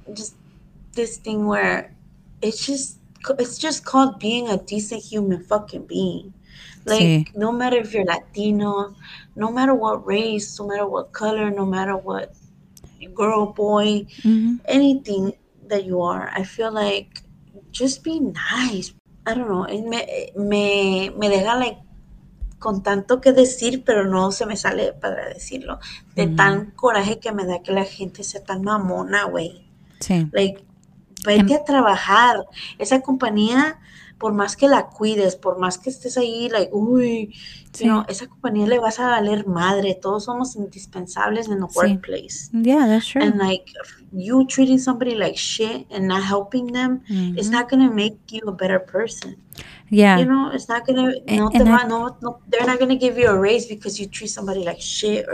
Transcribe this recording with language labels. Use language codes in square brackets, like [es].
[en] Just this thing where it's just called being a decent human fucking being. Like, no matter if you're Latino, no matter what race, no matter what color, no matter what girl, boy, anything that you are, I feel like just be nice. I don't know. [es] Me deja [en] like. [es] Con tanto que decir, pero no se me sale para decirlo. De tan coraje que me da que la gente sea tan mamona, güey. Sí. Like, vete a trabajar. Esa compañía, por más que la cuides, por más que estés ahí, like, sino esa compañía le vas a valer madre. Todos somos indispensables en el workplace. [en] Yeah, that's true. And like, you treating somebody like shit and not helping them, it's not going to make you a better person. Yeah. You know, it's not going to, no, they're not going to give you a raise because you treat somebody like shit or